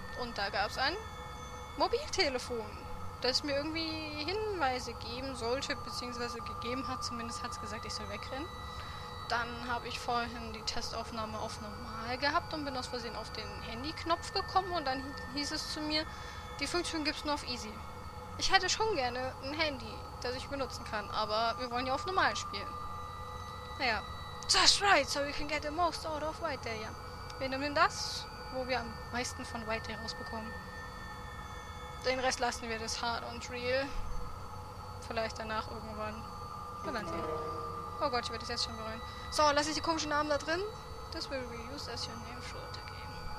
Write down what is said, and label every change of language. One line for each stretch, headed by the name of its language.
German: Und da gab es ein Mobiltelefon, das mir irgendwie Hinweise geben sollte, beziehungsweise gegeben hat, zumindest hat es gesagt, ich soll wegrennen. Dann habe ich vorhin die Testaufnahme auf normal gehabt und bin aus Versehen auf den Handyknopf gekommen und dann hieß es zu mir, die Funktion gibt es nur auf easy. Ich hätte schon gerne ein Handy, das ich benutzen kann, aber wir wollen ja auf normal spielen.
English: Naja, that's right, so we can get the most out of White Day, ja.
German: Wir nehmen denn das, wo wir am meisten von White Day rausbekommen. Den Rest lassen wir das hard und real. Vielleicht danach irgendwann. Wir werden sehen. Oh Gott, ich werde das jetzt schon bereuen. So, lasse ich die komischen Namen da drin.
English: This will be used as your name for the game.